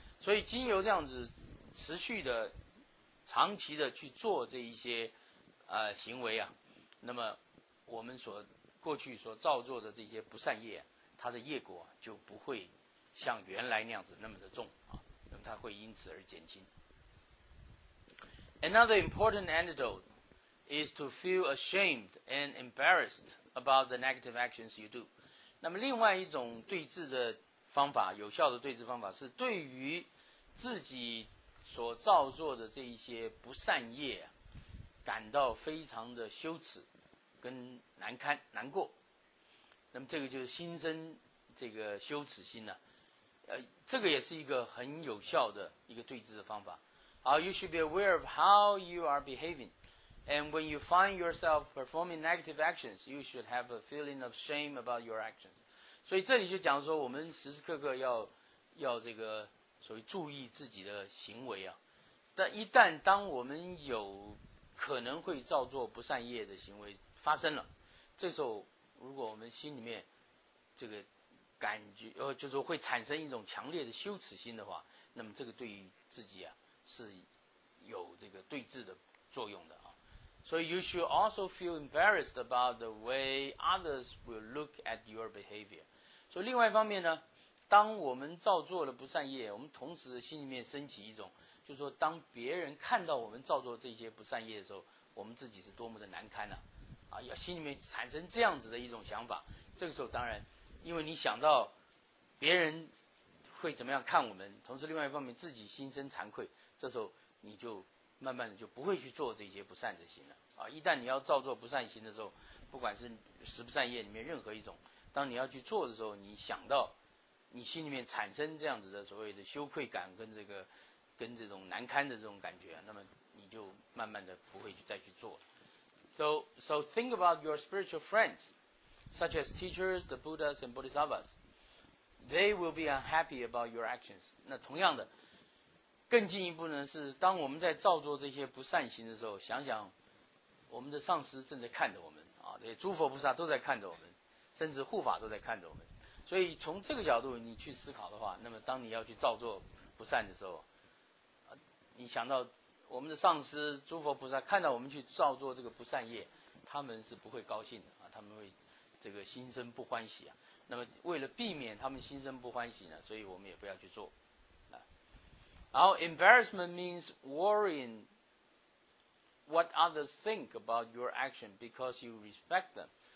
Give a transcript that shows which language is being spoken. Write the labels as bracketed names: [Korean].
[Chinese] 所以经由这样子持续的、长期的去做这一些行为啊，那么我们所过去所造作的这些不善业，它的业果就不会像原来那样子那么的重啊，那么它会因此而减轻。 [English] Another important antidote is to feel ashamed and embarrassed. About the negative actions you do. [Chinese] 那么另外一种对治的方法，有效的对治方法是对于自己所造作的这一些不善业感到非常的羞耻跟难堪难过。那么这个就是心生这个羞耻心了。这个也是一个很有效的一个对治的方法。 [English] 好 ，You should be aware of how you are behaving. And when you find yourself performing negative actions, you should have a feeling of shame about your actions. [Chinese] 所以这里就讲说我们时时刻刻要这个所谓注意自己的行为啊。但一旦当我们有可能会造作不善业的行为发生了，这时候如果我们心里面这个感觉就是会产生一种强烈的羞耻心的话，那么这个对于自己啊是有这个对治的作用的啊。 [English] So you should also feel embarrassed about the way others will look at your behavior. [Chinese] 所以另外一方面呢，当我们造作了不善业，我们同时心里面升起一种，就是说当别人看到我们造作这些不善业的时候，我们自己是多么的难堪啊！啊，要心里面产生这样子的一种想法。这个时候当然，因为你想到别人会怎么样看我们，同时另外一方面自己心生惭愧，这时候你就。慢慢的就不会去做这些不善的行了啊！一旦你要造作不善行的时候，不管是十不善业里面任何一种，当你要去做的时候，你想到你心里面产生这样子的所谓的羞愧感跟这种难堪的这种感觉，那么你就慢慢的不会再去做。 [English] So think about your spiritual friends, such as teachers, the Buddhas and Bodhisattvas. They will be unhappy about your actions. [Chinese] 那同样的，更进一步呢，是当我们在造作这些不善行的时候，想想我们的上师正在看着我们啊，这些诸佛菩萨都在看着我们，甚至护法都在看着我们。所以从这个角度你去思考的话，那么当你要去造作不善的时候，你想到我们的上师诸佛菩萨看到我们去造作这个不善业，他们是不会高兴的啊，他们会这个心生不欢喜啊。那么为了避免他们心生不欢喜呢，所以我们也不要去做啊。 [English] 然后 embarrassment means worrying what others think about your action because you respect them。